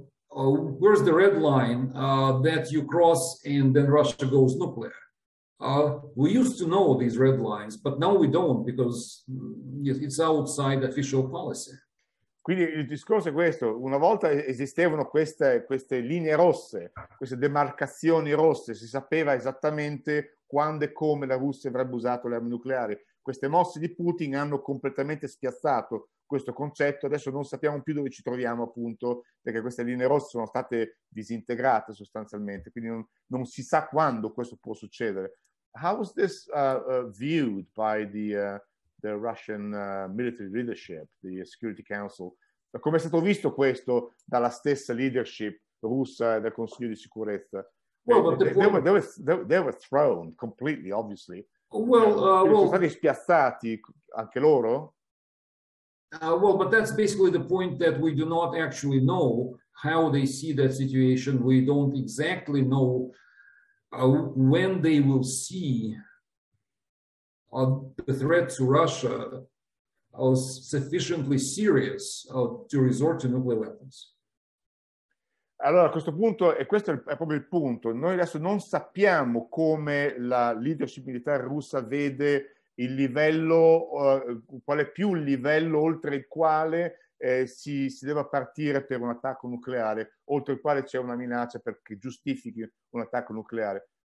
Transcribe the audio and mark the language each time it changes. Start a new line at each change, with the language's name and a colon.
English: Where's the red line that you cross and then Russia goes nuclear? We used to know these red lines, but now we don't because it's outside official policy.
Italian: Quindi il discorso è questo. Una volta esistevano queste linee rosse, queste demarcazioni rosse. Si sapeva esattamente quando e come la Russia avrebbe usato le armi nucleari. Queste mosse di Putin hanno completamente spiazzato questo concetto. Adesso non sappiamo più dove ci troviamo, appunto, perché queste linee rosse sono state disintegrate sostanzialmente, quindi non si sa quando questo può succedere.
English: How was this viewed by the Russian military leadership, the Security Council?
Italian: Come è stato visto questo dalla stessa leadership russa del Consiglio di Sicurezza?
English: Well, they were thrown completely, obviously. Well,
Italian: sono stati spiazzati anche loro?
English: Well, but that's basically the point that we do not actually know how they see that situation. We don't exactly know when they will see the threat to Russia as sufficiently serious to resort to nuclear weapons.
Italian: Allora, a questo punto, e questo è proprio il punto, noi adesso non sappiamo come la leadership militare russa vede il livello, qual è più il livello oltre il quale si deve partire per un attacco nucleare, oltre il quale c'è una minaccia perché giustifichi un attacco nucleare.